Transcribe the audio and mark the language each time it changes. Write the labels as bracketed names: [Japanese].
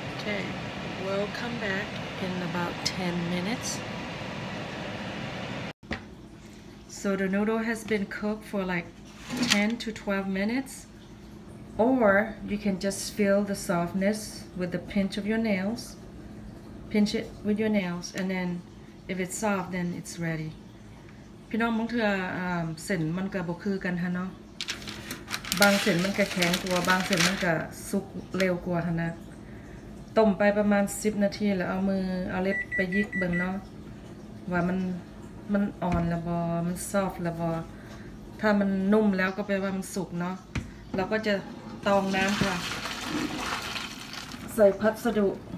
[English] Okay, we'll come back in about 10 minutes. So the noodle has been cooked for like 10 to 12 minutes. Or you can just feel the softness with the pinch of your nails. pinch it with your nails, and then if it's soft, then it's ready. [Northeastern Thai] พี่น้องบางเทื่อเส้นมันก็บ่คือกันฮะเนาะบางเส้นมันก็แข็งกว่าบางเส้นมันก็สุกเร็วกว่าฮะนะ ต้มไปประมาณ10นาทีแล้วเอามือเอาเล็บไปยิกเบิ่งเนาะว่ามันอ่อนแล้วบ่มันซอฟต์แล้วบ่ถ้ามันนุ่มแล้วก็แปลว่ามันสุกเนาะเราก็จะตองน้ำค่ะใส่พัสดุ